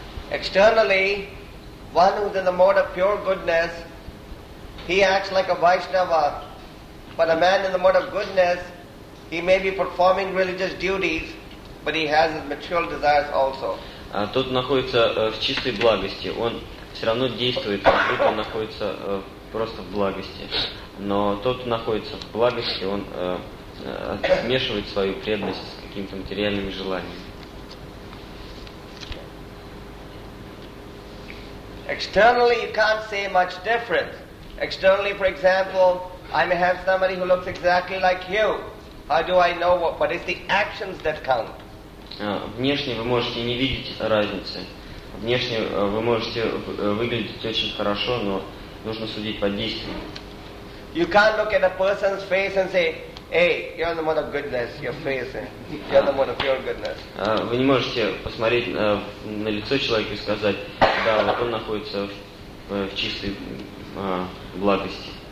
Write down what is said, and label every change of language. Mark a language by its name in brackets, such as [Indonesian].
[English] Externally, one who is in the mode of pure goodness, he acts like a Vaishnava. But a man in the mode of goodness, he may be performing religious duties, but he has his material desires also. [Russian] Тот находится в чистой благости. Он все равно действует, как будто он находится просто в благости. Но тот, кто находится в благости, он смешивает свою преданность с какими-то материальными желаниями. [English] Externally, you can't say much difference. Externally, for example, I may have somebody who looks exactly like you. How do I know what is the actions that count? [Russian] Внешне вы можете не видеть разницы. Внешне вы можете выглядеть очень хорошо, но нужно судить по действиям. [English] You can't look at a person's face and say, "Hey, you're the mode of goodness. Your face, you're the mode of pure goodness." [Russian] Вы не можете посмотреть на лицо человека и сказать, да, вот он находится в чистой благости.